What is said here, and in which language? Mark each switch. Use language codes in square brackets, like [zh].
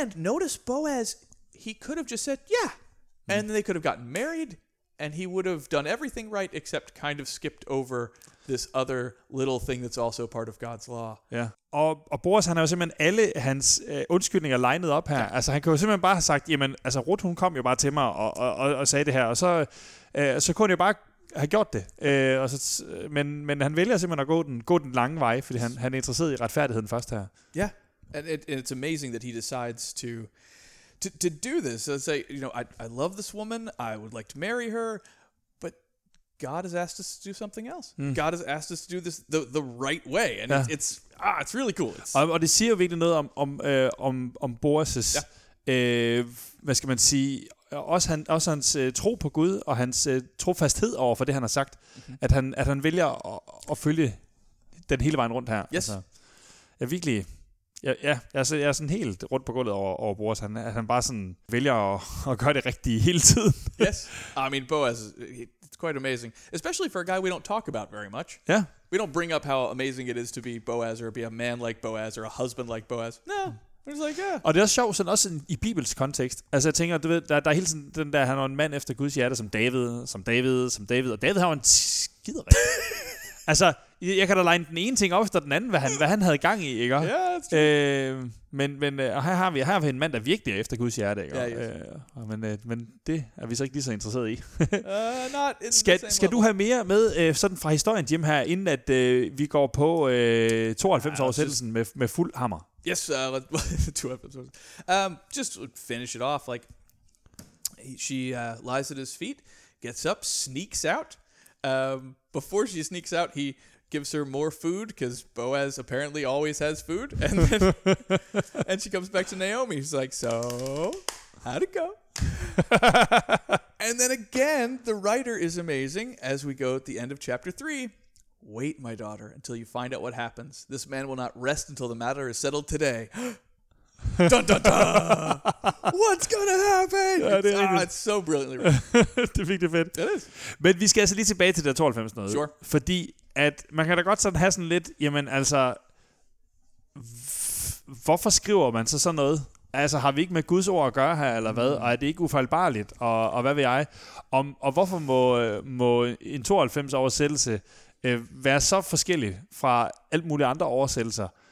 [en] And notice Boaz, he could have just said, yeah. And they could have gotten married, and he would have done everything right, except kind of skipped over this other little thing that's also part of God's law. [da] Ja. Og Boaz, han har jo simpelthen alle hans undskyldninger lined op her. Ja. Altså, han kunne jo simpelthen bare have sagt, jamen, altså, Ruth, hun kom jo bare til mig og sagde det her, og så kunne han jo bare have gjort det. Men han vælger simpelthen at gå den lange vej, fordi han er interesseret i retfærdigheden først her. [en] Ja, and it's amazing that he decides to to do this. So say, you know, I love this woman. I would like to marry her. But God has asked us to do something else. Mm. God has asked us to do this the right way. And yeah. it's really cool. [da] Og det siger jo virkelig noget om Boas' hvad skal man sige, også hans tro på Gud og hans trofasthed over for det, han har sagt. Mm-hmm. At han vælger at følge den hele vejen rundt her. Yes. Altså, ja, virkelig. Ja, jeg er sådan helt rundt på gulvet over Boas, at han bare sådan vælger at gøre det rigtige hele tiden. [en] Yes. I mean, Boas, it's quite amazing. Especially for a guy we don't talk about very much. Yeah. We don't bring up how amazing it is to be Boas, or be a man like Boas, or a husband like Boas. No. It's like, yeah. [da] Og det er også sjovt, sådan også i Bibels kontekst. Altså jeg tænker, du ved, der er hele sådan den der, han er en mand efter Guds hjerte, som David, og David har jo en skiderik. Altså, jeg kan da line den ene ting op efter den anden, hvad han havde gang i, ikke? Ja, det er [en] true. [da] Men og her har vi en mand, der virkelig er efter Guds hjerte, ikke? Ja, yes. Men det er vi så ikke lige så interesseret i. [en] Not in [da] skal [en] the same [da] skal du have mere med sådan fra historien, Jim, her, inden at vi går på 92-årsættelsen med fuld hammer? Yes, 92 års. [en] Just to finish it off, like, she lies at his feet, gets up, sneaks out. Before she sneaks out, he gives her more food, because Boaz apparently always has food, and then and she comes back to Naomi. She's like, so, how'd it go? And then again, the writer is amazing, as we go at the end of chapter 3. Wait, my daughter, until you find out what happens. This man will not rest until the matter is settled today. Dun, dun, dun! What's gonna happen? [da] Ja, [en] it's so brilliantly written. [da] Det er virkelig fedt. [en] It is. [da] Men vi skal altså lige tilbage til det 92 noget. [en] Sure. [da] Fordi at man kan da godt sådan have sådan lidt, jamen altså, hvorfor skriver man så sådan noget? Altså, har vi ikke med Guds ord at gøre her, eller hvad? Og er det ikke ufejlbarligt? Og hvad ved jeg? Og hvorfor må en 92 oversættelse være så forskellig fra alt muligt andre oversættelser?